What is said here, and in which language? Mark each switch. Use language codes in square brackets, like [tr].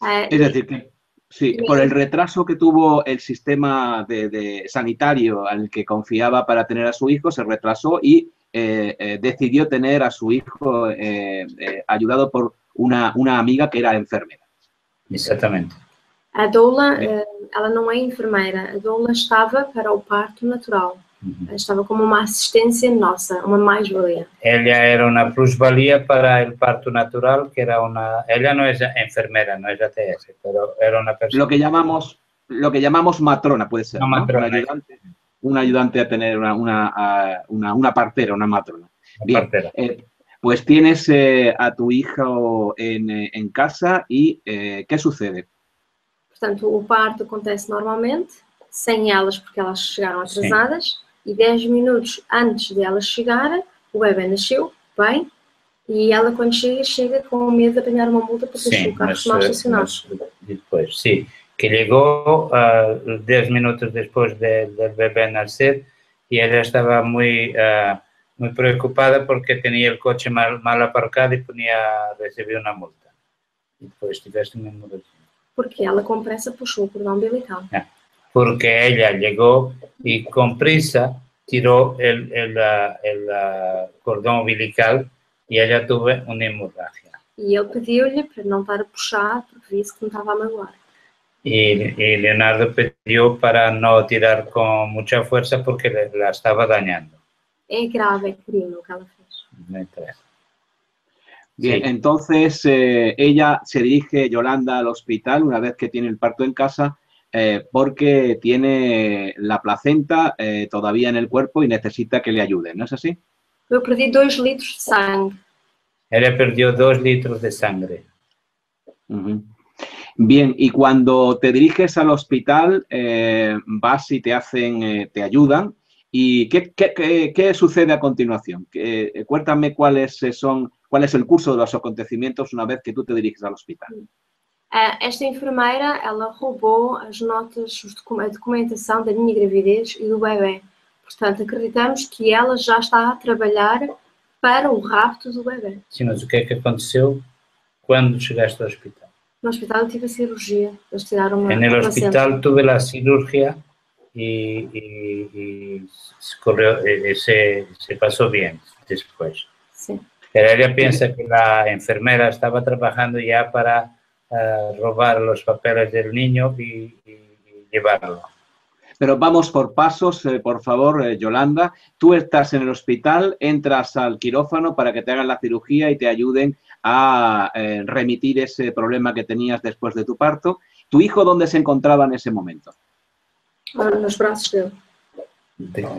[es] Es decir, que sí, por el retraso que tuvo el sistema de sanitario al que confiaba para tener a su hijo, se retrasó y decidió tener a su hijo ayudado por una amiga que era enfermera. Exactamente. [pt] A doula, ela não é enfermeira, a doula estava para o parto natural, estava como uma assistência nossa, uma mais-valia. Ela era uma plus-valia para o parto natural, que era uma... Ela não é enfermeira, não é ATS, mas era uma pessoa... [es] Lo que llamamos matrona, [pt] pode ser, [es] ¿no? Matrona. Un ayudante a tener una partera, una matrona. Bien, partera. Pues tienes a tu hijo en casa y ¿qué sucede? [pt] Portanto, o parto acontece normalmente, sem elas, porque elas chegaram atrasadas, sim. E 10 minutos antes de elas chegarem, o bebê nasceu, bem, e ela quando chega, chega com medo de apanhar uma multa porque deixou o carro mal estacionado. Depois, sim, que ligou 10 minutos depois do bebê nascer, e ela estava muito preocupada porque tinha o [es] coche mal aparcado [pt] e podia receber uma multa. E depois tiveste uma multa. Porque ela com pressa puxou o cordão umbilical. É. Porque ela chegou e com pressa tirou o cordão umbilical e ela teve uma hemorragia. E ele pediu-lhe para não estar a puxar porque viu que não estava a magoar. E Leonardo pediu para não tirar com muita força porque ela estava danhando. É grave, é crime o que ela fez. [es] Bien, sí. Entonces ella se dirige, Yolanda, al hospital una vez que tiene el parto en casa porque tiene la placenta todavía en el cuerpo y necesita que le ayuden, ¿no es así? Yo perdí 2 litros de sangre. Ella perdió 2 litros de sangre. Bien, y cuando te diriges al hospital, vas y te hacen, te ayudan. ¿Y qué sucede a continuación? Cuéntame cuál es el curso de los acontecimientos una vez que tú te diriges al hospital. Esta enfermera, [pt] ela roubou as notas, a documentação da minha gravidez e do bebê. Portanto, acreditamos que ela já está a trabalhar para o rapto do bebê. Sim, mas o que é que aconteceu quando chegaste ao hospital? No hospital eu tive a cirurgia, eles tiraram uma placenta. No hospital tive a cirurgia e se passou bem depois. Sim. Ela pensa que a enfermeira estava trabalhando já para roubar os papéis do niño e levá-lo. [es] Pero vamos por pasos, por favor, Yolanda. Tú estás en el hospital, entras al quirófano para que te hagan la cirugía y te ayuden a remitir ese problema que tenías después de tu parto. ¿Tu hijo dónde se encontraba en ese momento? En los brazos de él.